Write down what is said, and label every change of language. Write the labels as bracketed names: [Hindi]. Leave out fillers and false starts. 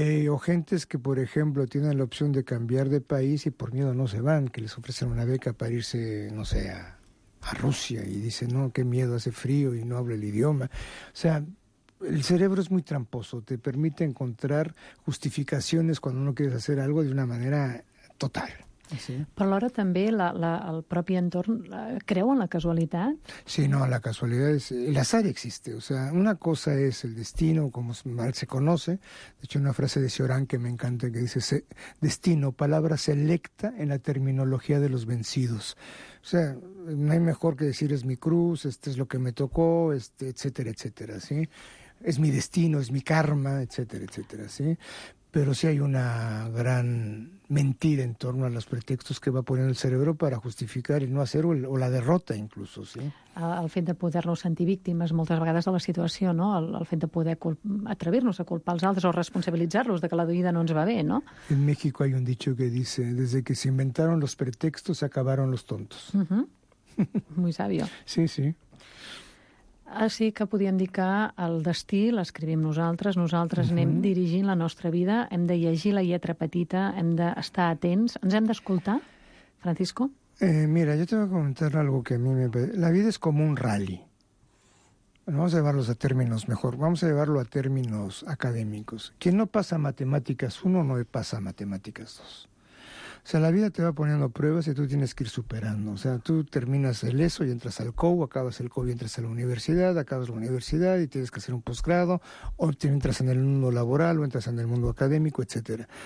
[Spanish] O gentes que, por ejemplo, tienen la opción de cambiar de país y por miedo no se van, que les ofrecen una beca para irse, no sé, a Rusia, y dicen, no, qué miedo, hace frío y no hablo el idioma. O sea, el cerebro es muy tramposo, te permite encontrar justificaciones cuando no quieres hacer algo de una manera total. Sí. [Catalan] Però alhora també el propi entorn creu en la casualitat? [Spanish] Sí, no, [Catalan] la casualitat és... [Spanish] L'azar existe. O sea, una cosa és el destino, com mal se conoce. De hecho, una frase de Cioran que me encanta, que dice, destino, palabra selecta en la terminología de los vencidos. O sea, no hay mejor que decir es mi cruz, es lo que me tocó, etcétera, etcétera, ¿sí? Es mi destino, es mi karma, etcétera, etcétera, ¿sí? Pero sí hay una gran mentira en torno a los pretextos que va poniendo el cerebro para justificar el no hacer o la derrota incluso, ¿sí? [Catalan] El fet de poder-nos sentir víctimes moltes vegades de la situació, no? El fet de poder atrevir-nos a culpar els altres o responsabilitzar-los de que la vida no ens va bé, no? [Spanish] En México hay un dicho que dice, desde que se inventaron los pretextos se acabaron los tontos. Muy sabio. Sí, sí. [Catalan] Així que podíem dir que el destí l'escrivim nosaltres anem dirigint la nostra vida, hem de llegir la lletra petita, hem d'estar atents, ens hem d'escoltar, Francisco? [Spanish] Mira, yo tengo que comentar algo que a mí me... La vida es como un rally. Bueno, vamos a llevarlos a términos mejor, vamos a llevarlo a términos académicos. Quien no pasa matemáticas 1 no pasa matemáticas 2. O sea, la vida te va poniendo pruebas y tú tienes que ir superando. O sea, tú terminas el ESO y entras al COU, acabas el COU y entras a la universidad, acabas la universidad y tienes que hacer un posgrado, o entras en el mundo laboral, o entras en el mundo académico, etcétera.